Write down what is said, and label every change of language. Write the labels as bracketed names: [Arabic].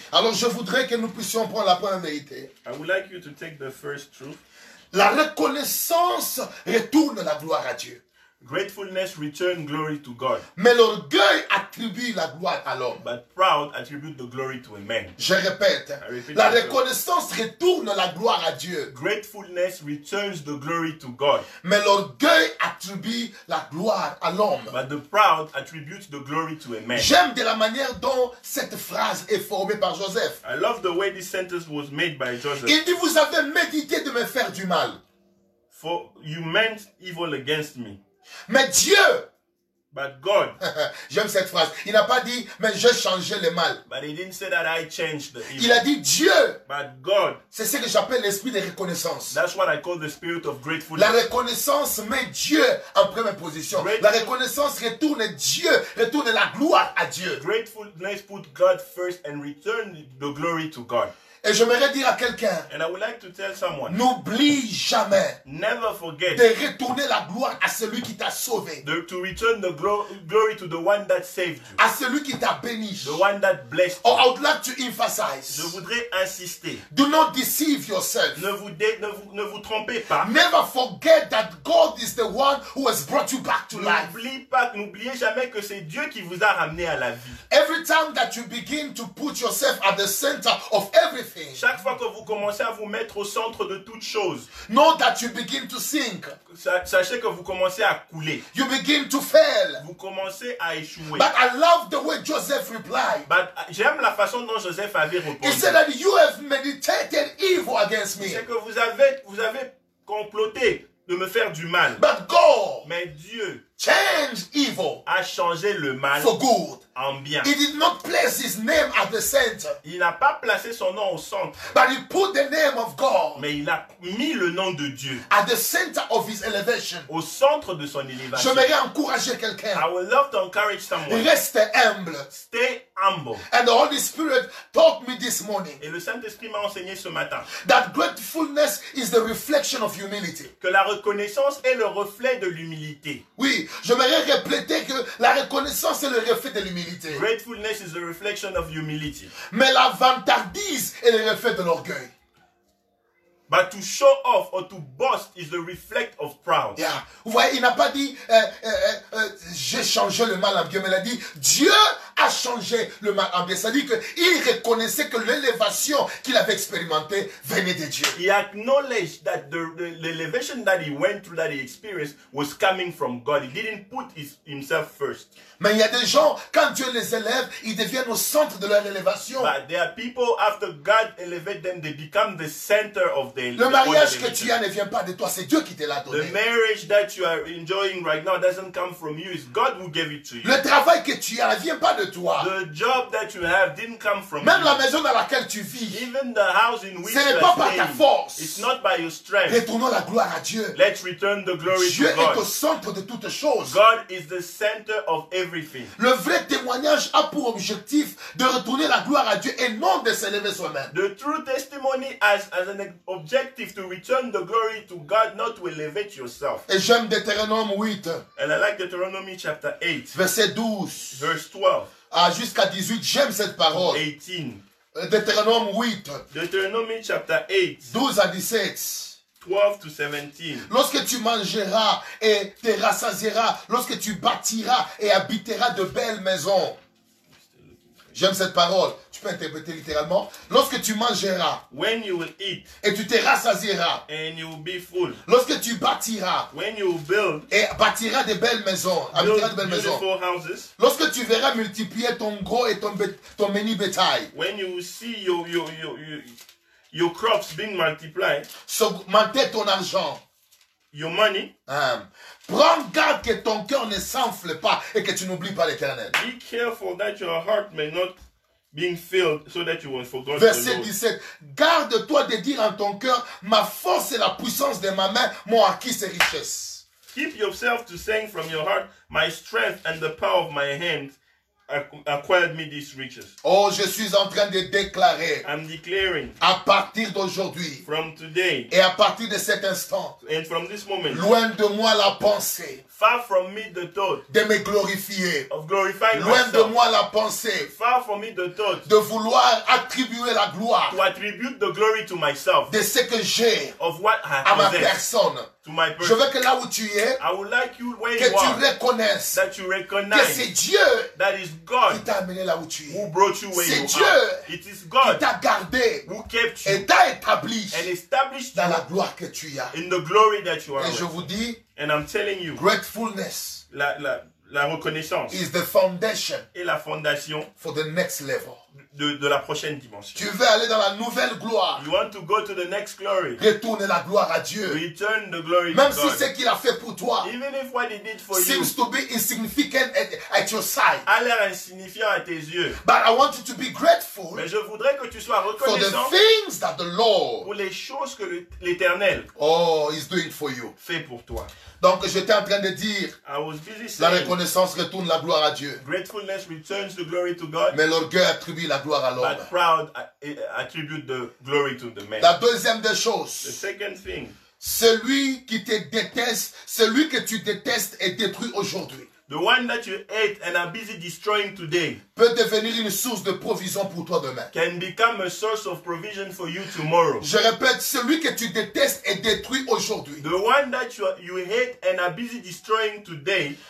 [French] Alors je voudrais que nous puissions prendre la première vérité. [English] I would like you to take the first truth. [French] La reconnaissance retourne la gloire à Dieu. [English] Gratefulness returns glory to God. [French] Mais l'orgueil attribue la gloire à l'homme. [English] But proud attributes the glory to a man. [French] Je répète. La reconnaissance retourne la gloire à Dieu. [English] Gratefulness returns the glory to God. [French] Mais l'orgueil attribue la gloire à l'homme. [English] But the proud attributes the glory to a man. [French] J'aime de la manière dont cette phrase est formée par Joseph. [English] I love the way this sentence was made by Joseph. [French] Il dit vous avez médité de me faire du mal. [English] For you meant evil against me. [French] Mais Dieu, [English] but God, [French] j'aime cette phrase. Il n'a pas dit, mais je changeais le mal. [English] But he didn't say that I changed the evil. [French] Il a dit Dieu, [English] but God, [French] c'est ce que j'appelle l'esprit de reconnaissance. [English] That's what I call the spirit of gratefulness. [French] La reconnaissance met Dieu en première position. La reconnaissance retourne Dieu, retourne la gloire à Dieu. [English] Gratefulness put God first and return the glory to God. [French] Et j'aimerais dire à quelqu'un, [English] and I would like to tell someone, [French] n'oublie jamais [English] never forget [French] de retourner la gloire à celui qui t'a sauvé. [English] To return the glory to the one that saved you. [French] À celui qui t'a béni. [English] The one that blessed you. Or I would like to emphasize. [French] Je voudrais insister. [English] Do not deceive yourself. [French] Ne vous trompez pas. [English] Never forget that God is the one who has brought you back to life. [French] N'oubliez jamais que c'est Dieu qui vous a ramené à la vie. [English] Every time that you begin to put yourself at the center of every [French] chaque fois que vous commencez à vous mettre au centre de toute chose, [English] know that you begin to sink. [French] Sachez que vous commencez à couler. [English] You begin to fail. [French] Vous commencez à échouer. [English] But I love the way Joseph replied. [French] But j'aime la façon dont Joseph avait répondu. [English] He said that you have meditated evil against me. [French] C'est que vous avez comploté de me faire du mal. [English] But God, [French] mais Dieu, [English] change evil, [French] a changé le mal [English] for good, [French] en bien. [English] He did not place his name at the center. [French] Il n'a pas placé son nom au centre. [English] But he put the name of God, [French] mais il a mis le nom de Dieu, [English] at the center of his elevation, [French] au centre de son élévation. Je voudrais encourager quelqu'un. [English] I would love to encourage someone. [French] Reste humble. [English] Stay humble. And the Holy Spirit taught me this morning. [French] Et le Saint-Esprit m'a enseigné ce matin. [English] That gratefulness is the reflection of humility. [French] Que la reconnaissance est le reflet de l'humilité. Oui. Je voudrais répéter que la reconnaissance est le reflet de l'humilité. [English] Gratefulness is a reflection of humility. [French] Mais la vantardise est le reflet de l'orgueil. [English] But to show off or to boast is the reflect of proud. Yeah. [French] Vous voyez, il n'a pas dit, j'ai changé le mal en bien, mais il a dit, Dieu a changé le mal en bien. C'est-à-dire qu'il reconnaissait que l'élévation qu'il avait expérimentée venait de Dieu. [English] He acknowledged that the elevation that he went through, that he experienced, was coming from God. He didn't put himself first. [French] Mais il y a des gens, quand Dieu les élève, ils deviennent au centre de leur élévation. [English] But there are people, after God elevates them, they become the center of [French] Le mariage que tu as ne vient pas de toi, c'est Dieu qui te l'a donné. [English] The marriage that you are enjoying right now doesn't come from you, it's God who gave it to you. [French] Le travail que tu as ne vient pas de toi. [English] The job that you have didn't come from [French] Même la maison dans laquelle tu vis. [English] Even the house in which [French] Ce n'est pas par ta force. [English] It's not by your strength. [French] Retournons la gloire à Dieu. [English] Let's return the glory [French] Dieu [English] to God. [French] Est au centre de toutes choses. [English] God is the center of everything. [French] Le vrai témoignage a pour objectif de retourner la gloire à Dieu et non de s'élever soi-même. [English] The true testimony as an objective to return the glory to God, not to elevate yourself. [French] Et j'aime Deutéronome 8. [English] And I like Deuteronomy chapter 8. [French] Verset 12. [English] Verse 12. [French] Ah, jusqu'à 18, j'aime cette parole. [English] 18. [French] Deutéronome 8. [English] Deuteronomy chapter 8. [French] 12 à 17. [English] 12 to 17. [French] Lorsque tu mangeras et te rassasieras, lorsque tu bâtiras et habiteras de belles maisons. J'aime cette parole. Tu peux interpréter littéralement. Lorsque tu mangeras. [English] When you will eat. [French] Et tu te rassasieras. [English] And you will be full. [French] Lorsque tu bâtiras. [English] When you will build. [French] Et bâtiras des belles maisons. Habiteras de belles maisons. [English] Beautiful houses. [French] Lorsque tu verras multiplier ton gros et ton mini bétail. [English] When you will see your crops being multiplied. [French] S'augmenter ton argent. [English] Your money. [French] Prends garde que ton cœur ne s'enfle pas et que tu n'oublies pas l'Éternel. [English] Be careful that your heart may not be filled so that you won't forget. [French] Verset 17. Garde-toi de dire en ton cœur, ma force et la puissance de ma main m'ont acquis ces richesses. [English] Keep yourself to saying from your heart, my strength and the power of my hand acquired me these riches. [French] Oh, je suis en train de déclarer. [English] I'm declaring. [French] À partir d'aujourd'hui. [English] From today. [French] Et à partir de cet instant. [English] And from this moment. [French] Loin de moi la pensée. [English] Far from me the thought. [French] De me glorifier. [English] Of glorifying [French] loin [English] myself. [French] Loin de moi la pensée. [English] Far from me the thought. [French] De vouloir attribuer la gloire. [English] To attribute the glory to myself. [French] De ce que j'ai. [English] Of what I have. [French] À ma personne. Je veux que là où tu es, [English] like you [French] que tu reconnaisses [English] that you [French] que c'est Dieu [English] that is God [French] qui t'a amené là où tu es. [English] Who brought you where [French] c'est [English] you [French] Dieu [English] it is God [French] qui t'a gardé [English] who kept you [French] et t'a établi [English] and established [French] dans [English] you [French] la gloire que tu as. [English] In the glory that you are [French] et je vous dis, [English] and I'm telling you, gratefulness [French] la reconnaissance [English] is the foundation [French] et la fondation [English] for the next level. [French] De la prochaine dimension. Tu veux aller dans la nouvelle gloire. [English] You want to go to the next glory. [French] Retourne la gloire à Dieu. [English] Return the glory [French] Même [English] to God. [French] Si ce qu'il a fait pour toi [English] Even if what he did for seems you. To be insignificant at your side. [French] A l'air insignifiant à tes yeux. [English] But I want you to be grateful. [French] Mais je voudrais que tu sois reconnaissant [English] for the things that the Lord [French] pour les choses que l'Éternel [English] is doing for you. [French] Fait pour toi. Donc j'étais en train de dire la reconnaissance retourne la gloire à Dieu. [English] Gratefulness returns the glory to God. [French] Mais l'orgueil attribue la gloire à l'homme. [English] But proud attribute the glory to the man. [French] La deuxième des choses. [English] The second thing. [French] Celui qui te déteste, celui que tu détestes est détruit aujourd'hui. [English] The one that you hate and are busy destroying today [French] peut devenir une source de provision pour toi demain. [English] Can become a source of provision for you tomorrow. [French] Je répète, celui que tu détestes est détruit aujourd'hui. [English] The one that you hate and are busy destroying today